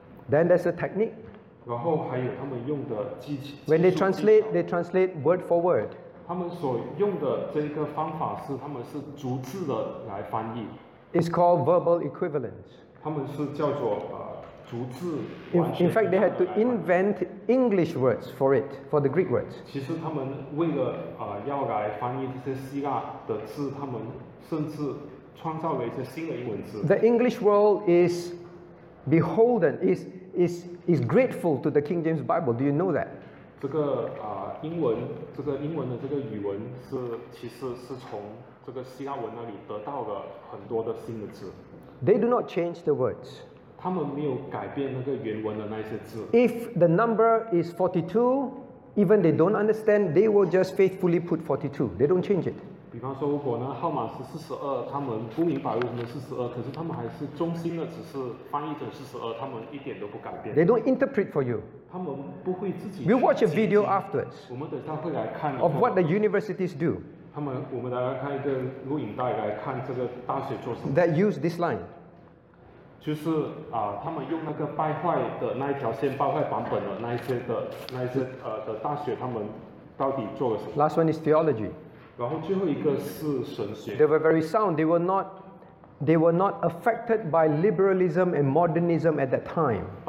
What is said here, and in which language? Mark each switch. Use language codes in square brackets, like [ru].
[en] Then there's a technique. [zh] 然后还有他们用的技巧. [en] When they translate word for word. [zh] 他们所用的这个方法是，他们是逐字的来翻译。 [en] It's called verbal equivalence. [zh] 他们是叫做, 逐字完全的来翻译。 [en] In fact, they had to invent English words for it, for the Greek words. [zh] 其实他们为了, 要来翻译这些希腊的字, 他们甚至创造了一些新的英文字。 [en] The English world is beholden, is grateful to the King James Bible. Do you know that? [zh] 这个, 英文的这个语文是其实是从这个希腊文那里得到了很多的新的字。 [en] They do not change the words. [zh] 他们没有改变那个原文的那些字。 [en] If the number is 42, even they don't understand, they will just faithfully put 42. They don't change it. [zh] 比方说如果呢号码是42, 他们不明白为什么42, 可是他们还是忠心的只是翻译成42, 他们一点都不改变。 [en] They don't interpret for you. [zh] 他们不会自己, [en] we'll watch a video afterwards [zh] 我们等一下会来看, [en] of what the universities do [zh] 他们, 我们来看一个录影带来看这个大学做什么, [en] that use this line [zh] 就是, 他们用那个败坏的那一条线败坏版本的那一些的大学他们到底做了什么。 [en] Last one is theology. [zh] 然后最后一个是神学。 [en] They were very sound. They were not affected by liberalism and modernism at that time.